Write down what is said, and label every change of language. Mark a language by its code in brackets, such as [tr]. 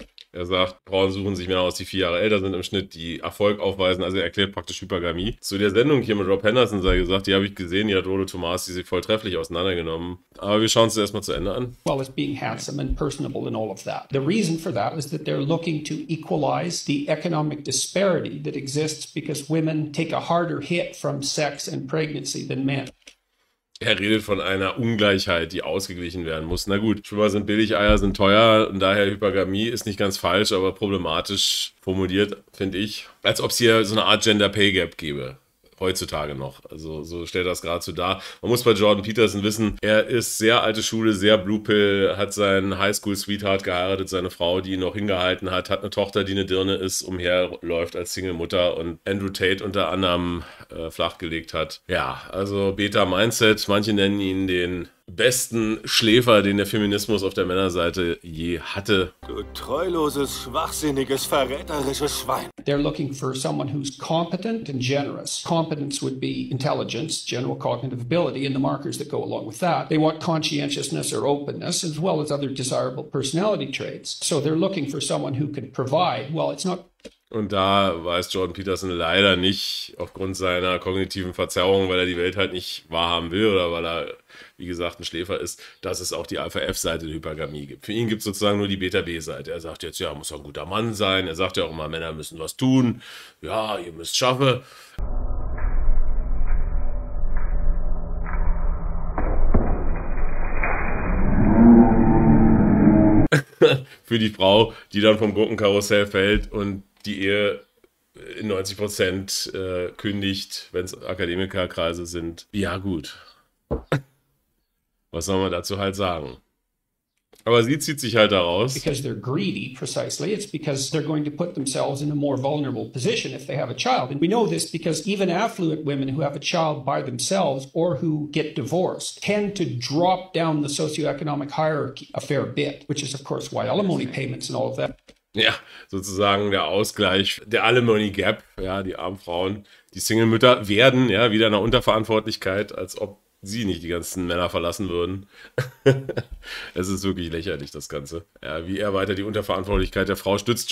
[de] Er sagt, Frauen suchen sich mehr aus, die 4 Jahre älter sind im Schnitt, die Erfolg aufweisen, also er erklärt praktisch Hypergamie. Zu der Sendung hier mit Rob Henderson sei gesagt, die habe ich gesehen, die hat Rolo Tomas, die sich volltrefflich auseinandergenommen. Aber wir schauen es erstmal zu Ende an. [en] Well, it's being handsome and personable and all of that. The reason for that is that they're looking to equalize the economic disparity that exists because women take a harder hit from sex and pregnancy than men. [de] Er redet von einer Ungleichheit, die ausgeglichen werden muss. Na gut, Schwimmer sind billig, Eier sind teuer und daher Hypergamie ist nicht ganz falsch, aber problematisch formuliert, finde ich. Als ob es hier so eine Art Gender Pay Gap gäbe, heutzutage noch. Also so stellt das gerade so dar. Man muss bei Jordan Peterson wissen, er ist sehr alte Schule, sehr Blue Pill, hat seinen Highschool-Sweetheart geheiratet, seine Frau, die ihn noch hingehalten hat, hat eine Tochter, die eine Dirne ist, umherläuft als Single-Mutter und Andrew Tate unter anderem flachgelegt hat. Ja, also Beta-Mindset, manche nennen ihn den besten Schläfer, den der Feminismus auf der Männerseite je hatte. Du treuloses, schwachsinniges, verräterisches Schwein. [en] They're looking for someone who's competent and generous. Competence would be intelligence, general cognitive ability, and the markers that go along with that. They want conscientiousness or openness, as well as other desirable personality traits. So they're looking for someone who can provide. Well, it's not... [de] Und da weiß Jordan Peterson leider nicht, aufgrund seiner kognitiven Verzerrung, weil er die Welt halt nicht wahrhaben will oder weil er, wie gesagt, ein Schläfer ist, dass es auch die Alpha-F-Seite der Hypergamie gibt. Für ihn gibt es sozusagen nur die Beta-B-Seite. Er sagt jetzt, ja, muss ein guter Mann sein. Er sagt ja auch immer, Männer müssen was tun. Ja, ihr müsst schaffen. Für die Frau, die dann vom Gurkenkarussell fällt und die Ehe in 90% kündigt, wenn es Akademikerkreise sind. Ja, gut. Was soll man dazu halt sagen? Aber sie zieht sich halt daraus. [en] Because they're greedy, precisely. It's because they're going to put themselves in a more vulnerable position if they have a child. And we know this because even affluent women who have a child by themselves or who get divorced tend to drop down the socioeconomic hierarchy a fair bit, which is of course why alimony payments and all of that. [de] Ja, sozusagen der Ausgleich, der Alimony Gap, ja, die armen Frauen, die Single-Mütter werden ja wieder in einer Unterverantwortlichkeit, als ob sie nicht die ganzen Männer verlassen würden. Es ist wirklich lächerlich, das Ganze. Ja, wie er weiter die Unterverantwortlichkeit der Frau stützt.